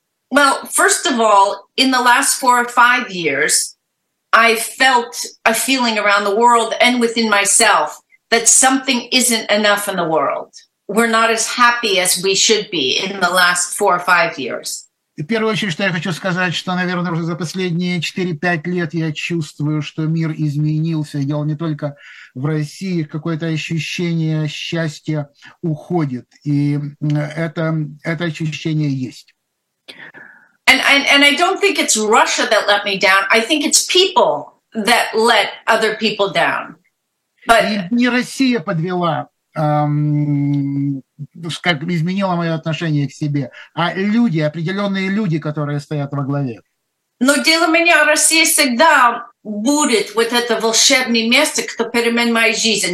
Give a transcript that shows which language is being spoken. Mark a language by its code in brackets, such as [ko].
[en] Well, first of all, in the last 4 or 5 years, I felt a feeling around the world and within myself that something isn't enough in the world. We're not as happy as we should be in the last 4 or 5 years. [ru] В первую очередь, что я хочу сказать, что, наверное, уже за последние 4-5 лет я чувствую, что мир изменился. Дело не только в России, какое-то ощущение счастья уходит. И это ощущение есть. [en] And I don't think it's Russia that let me down. I think it's people that let other people down. But... [ru] Не Россия подвела, как изменило мое отношение к себе, а люди, определенные люди, которые стоят во главе. Но для меня Россия всегда будет вот это волшебное место, кто перемен моя жизнь.